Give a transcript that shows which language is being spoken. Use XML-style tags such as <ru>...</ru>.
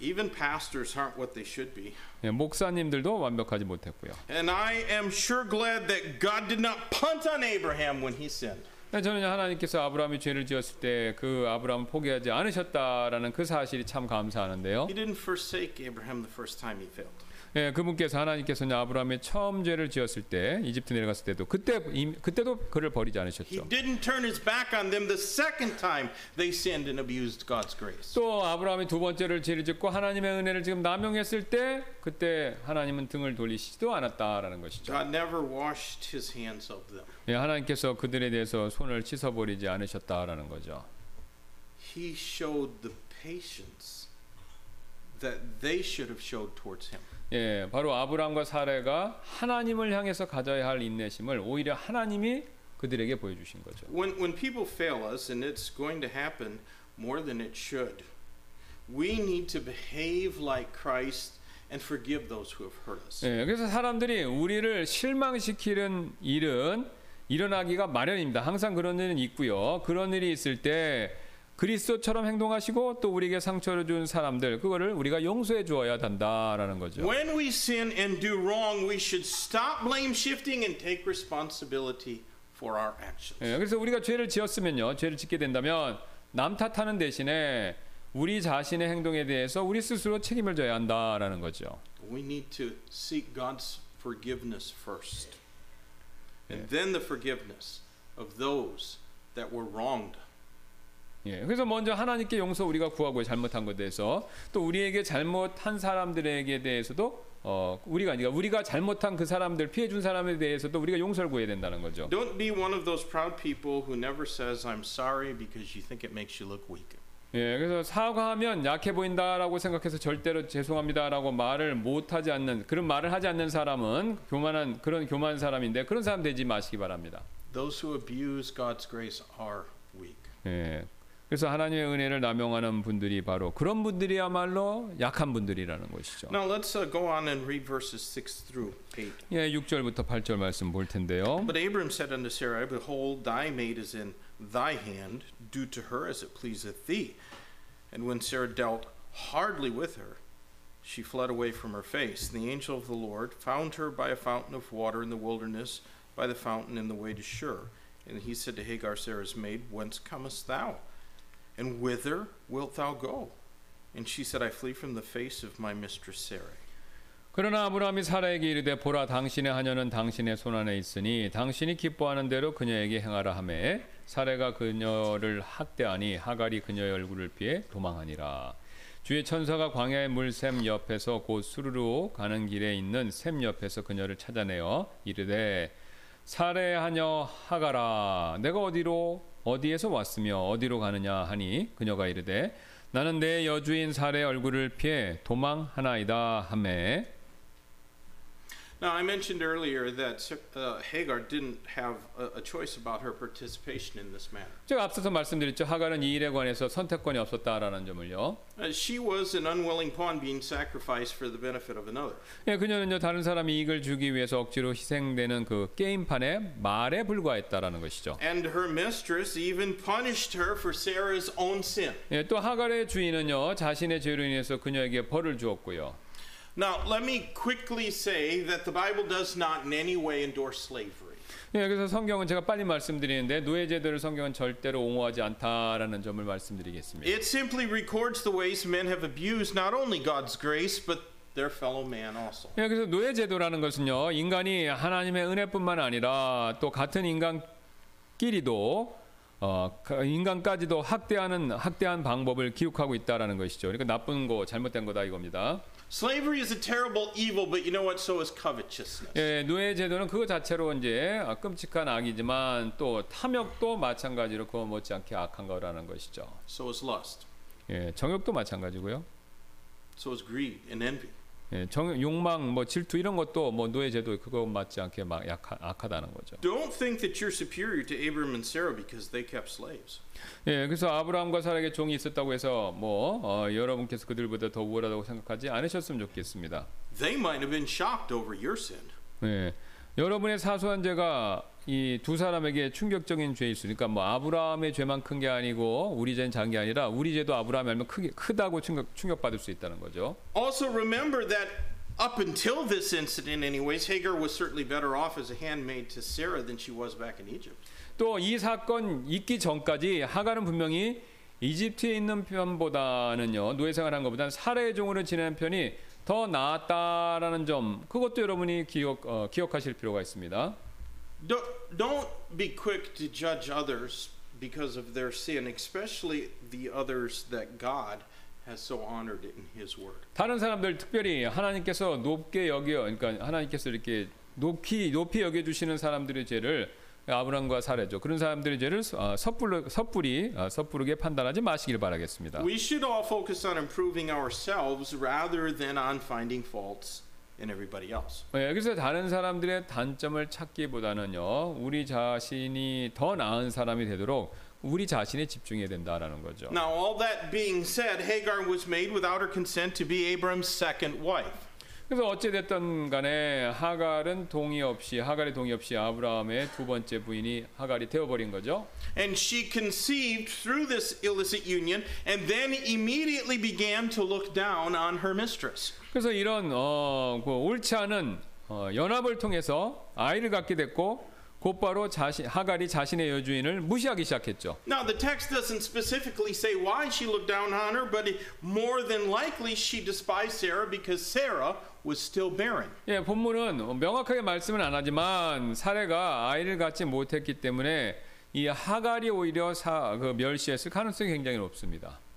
<en>Even pastors aren't what they should be.</en> <ko>예, 목사님들도 완벽하지 못했고요.</ko> <en>And I am sure glad that God did not punt on Abraham when he sinned.</en> <ko>예, 저는 하나님께서 아브라함이 죄를 지었을 때 그 아브라함 포기하지 않으셨다라는 그 사실이 참 감사하는데요.</ko> <en>He didn't forsake Abraham the first time he failed.</en> <ko>예, 그분께서 하나님께서는 아브라함의 처음 죄를 지었을 때 이집트 내려갔을 때도 그때도 그를 버리지 않으셨죠.</ko> <en>He didn't turn his back on them the second time they sinned and abused God's grace.</en> <ko>또 아브라함이 두 번째를 죄를 짓고 하나님의 은혜를 지금 남용했을 때 그때 하나님은 등을 돌리시지도 않았다라는 것이죠.</ko> <en>God never washed his hands of them.</en> <ko>예, 하나님께서 그들에 대해서 손을 씻어 버리지 않으셨다라는 거죠.</ko> <en>He showed the patience that they should have showed towards him.</en> <ko>예, 바로 아브라함과 사라가 하나님을 향해서 가져야 할 인내심을 오히려 하나님이 그들에게 보여주신 거죠.</ko> <en>When people fail us, and it's going to happen more than it should, we need to behave like Christ and forgive those who have hurt us.</en> <ko>예, 그래서 사람들이 우리를 실망시키는 일은 일어나기가 마련입니다. 항상 그런 일은 있고요. 그런 일이 있을 때 그리스도처럼 행동하시고 또 우리에게 상처를 준 사람들 그거를 우리가 용서해 주어야 한다라는 거죠.</ko> <en>When we sin and do wrong, we should stop blame shifting and take responsibility for our actions.</en> <ko>예, 그래서 우리가 죄를 지었으면요, 죄를 짓게 된다면 남 탓하는 대신에 우리 자신의 행동에 대해서 우리 스스로 책임을 져야 한다라는 거죠.</ko> <en>We need to seek God's forgiveness first. And then the forgiveness of those that were wronged.</en> <ko>예, 그래서 먼저 하나님께 용서 우리가 구하고 잘못한 것에 대해서 또 우리에게 잘못한 사람들에게 대해서도 우리가 잘못한 그 사람들 피해 준 사람에 대해서도 우리가 용서를 구해야 된다는 거죠.</ko> <en>Don't be one of those proud people who never says I'm sorry because you think it makes you look weak.</en> <ko>예, 그래서 사과하면 약해 보인다라고 생각해서 절대로 죄송합니다라고 말을 못하지 않는 그런 말을 하지 않는 사람은 교만한 그런 교만한 사람인데 그런 사람 되지 마시기 바랍니다.</ko> <en>Those who abuse God's grace are weak.</en> <ko>예. 그래서 하나님의 은혜를 남용하는 분들이 바로 그런 분들이야말로 약한 분들이라는 것이죠.</ko> <en>Now let's go on and read verses 6 through 8.</en> <ko>예, 6절부터 8절 말씀 볼 텐데요.</ko> <en>But Abram said unto Sarai, Behold, thy maid is in thy hand. Do to her as it pleaseth thee. And when Sarah dealt hardly with her, she fled away from her face. And the angel of the Lord found her by a fountain of water in the wilderness, by the fountain in the way to Shur. And he said to Hagar, Sarah's maid, Whence comest thou? And whither wilt thou go? And she said, I flee from the face of my mistress Sarah.</en> <ko>그러나 아브라함이 사라에게 이르되 보라 당신의 하녀는 당신의 손 안에 있으니 당신이 기뻐하는 대로 그녀에게 행하라 하매 사라가 그녀를 학대하니 하갈이 그녀의 얼굴을 피해 도망하니라. 주의 천사가 광야의 물샘 옆에서 곧 수르르 가는 길에 있는 샘 옆에서 그녀를 찾아내어 이르되 사례하녀 하가라 내가 어디로 어디에서 왔으며 어디로 가느냐 하니 그녀가 이르되 나는 내 여주인 사례 얼굴을 피해 도망하나이다 하매</ko> <en>Now I mentioned earlier that Hagar didn't have a choice about her participation in this matter.</en> <ko>제가 앞서서 말씀드렸죠. 하갈은 이 일에 관해서 선택권이 없었다라는 점을요.</ko> <en>She was an unwilling pawn being sacrificed for the benefit of another.</en> <ko>예, 그녀는요 다른 사람이 이익을 주기 위해서 억지로 희생되는 그 게임판의 말에 불과했다라는 것이죠.</ko> <en>And her mistress even punished her for Sarah's own sin.</en> <ko>예, 또 하갈의 주인은요 자신의 죄로 인해서 그녀에게 벌을 주었고요.</ko> <en>Now let me quickly say that the Bible does not in any way endorse slavery.</en> <ko>예, 그래서 성경은 제가 빨리 말씀드리는데 노예제도를 성경은 절대로 옹호하지 않다라는 점을 말씀드리겠습니다.</ko> <en>It simply records the ways men have abused not only God's grace but their fellow man also.</en> <ko>예, 그래서 노예제도라는 것은요 인간이 하나님의 은혜뿐만 아니라 또 같은 인간끼리도 인간까지도 학대하는 방법을 기록하고 있다라는 것이죠. 그러니까 나쁜 거, 잘못된 거다 이겁니다.</ko> <en>Slavery is a terrible evil, but you know what? So is covetousness.</en> <ko>예, 노예 제도는 그 자체로 이제 끔찍한 악이지만 또 탐욕도 마찬가지로 그 못지않게 악한 거라는 것이죠.</ko> <en>So is lust.</en> <ko>예, 정욕도 마찬가지고요.</ko> <en>So is greed and envy.</en> <ko>예, 욕망, 뭐 질투 이런 것도 뭐 노예 제도 그거 못지않게 막 악하다는 거죠.</ko> <en>Don't think that you're superior to Abraham and Sarah because they kept slaves.</en> <ko>예, 그래서 아브라함과 사라에게 종이 있었다고 해서 뭐 여러분께서 그들보다 더 우월하다고 생각하지 않으셨으면 좋겠습니다.</ko> <en>They might have been shocked over your sin.</en> <ko>예, 여러분의 사소한 죄가 이 두 사람에게 충격적인 죄일 수 있으니까 뭐 아브라함의 죄만 큰 게 아니고 우리 죄는 작은 게 아니라 우리 죄도 아브라함이 알면 크다고 충격받을 수 있다는 거죠.</ko> <en>Also remember that up until this incident anyways, Hagar was certainly better off as a handmaid to Sarah than she was back in Egypt.</en> <ko>또 이 사건 있기 전까지 하갈은 분명히 이집트에 있는 편보다는요 노예 생활한 것보다는 사례의 종으로 지내는 편이 더 나았다라는 점 그것도 여러분이 기억하실 필요가 있습니다.</ko> <en>Don't be quick to judge others because of their sin, especially the others that God has so honored in His Word.</en> <ko>다른 사람들 특별히 하나님께서 높게 여겨 그러니까 하나님께서 이렇게 높이 여겨 주시는 사람들의 죄를 아브라함과 사례죠. 그런 사람들의 죄를 섣부르게 판단하지 마시길 바라겠습니다.</ko> <en>We should all focus on improving ourselves rather than on finding faults in everybody else.</en> <ko>네, 그래서 다른 사람들의 단점을 찾기보다는요, 우리 자신이 더 나은 사람이 되도록 우리 자신에 집중해야 된다라는 거죠.</ko> <en>Now all that being said, Hagar was made without her consent to be Abram's second wife.</en> <ko>그래서 어찌 됐든 간에 하갈은 동의 없이 하갈의 동의 없이 아브라함의 두 번째 부인이 하갈이 되어 버린 거죠.</ko> <en>And she conceived through this illicit union and then immediately began to look down on her mistress.</en> <ko>그래서 이런 그 옳지 않은 연합을 통해서 아이를 갖게 됐고 곧바로 하갈이 자신의 여주인을 무시하기 시작했죠.</ko> <en>Now the text doesn't specifically say why she looked down on her, but more than likely she despised Sarah because Sarah was still barren.</en> <ko>예, 본문은 명확하게 말씀은 안 하지만 사례가 아이를 갖지 못했기 때문에 이 하갈이 오히려 그 멸시했을 가능성이 굉장히 높습니다.</ko>